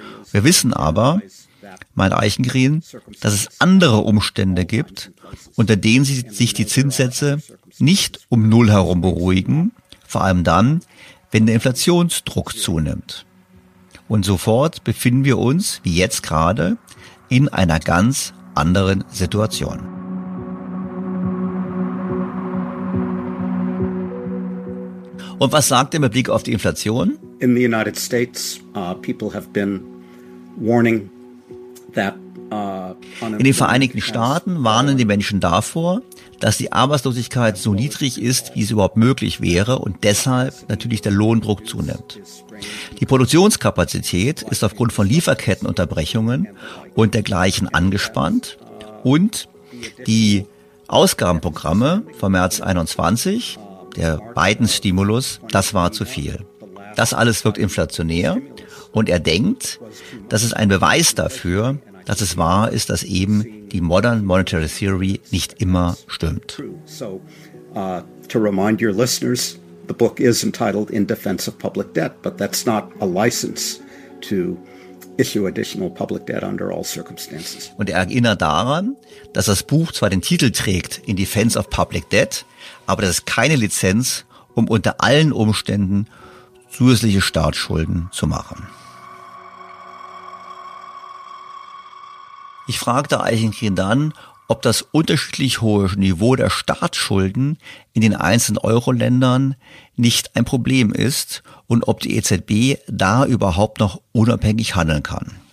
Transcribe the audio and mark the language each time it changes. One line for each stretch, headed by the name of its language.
German: Wir wissen aber, meint Eichengreen, dass es andere Umstände gibt, unter denen sich die Zinssätze nicht um Null herum beruhigen, vor allem dann, wenn der Inflationsdruck zunimmt. Und sofort befinden wir uns, wie jetzt gerade, in einer ganz anderen Situation. Und was sagt er mit Blick auf die Inflation?
English: In the United States, people have been warning.
German: In den Vereinigten Staaten warnen die Menschen davor, dass die Arbeitslosigkeit so niedrig ist, wie es überhaupt möglich wäre, und deshalb natürlich der Lohndruck zunimmt. Die Produktionskapazität ist aufgrund von Lieferkettenunterbrechungen und dergleichen angespannt, und die Ausgabenprogramme vom März 21, der Biden-Stimulus, das war zu viel. Das alles wirkt inflationär. Und er denkt, das ist ein Beweis dafür, dass es wahr ist, dass eben die Modern Monetary Theory nicht immer stimmt.
English: So, to remind your listeners, the book is entitled In Defense of Public Debt, but that's not a license to issue additional public debt under all circumstances.
German: Und er erinnert daran, dass das Buch zwar den Titel trägt In Defense of Public Debt, aber das ist keine Lizenz, um unter allen Umständen zusätzliche Staatsschulden zu machen. Ich fragte Eichengreen dann, ob das unterschiedlich hohe Niveau der Staatsschulden in den einzelnen Euro-Ländern nicht ein Problem ist und ob die EZB da überhaupt noch unabhängig handeln kann.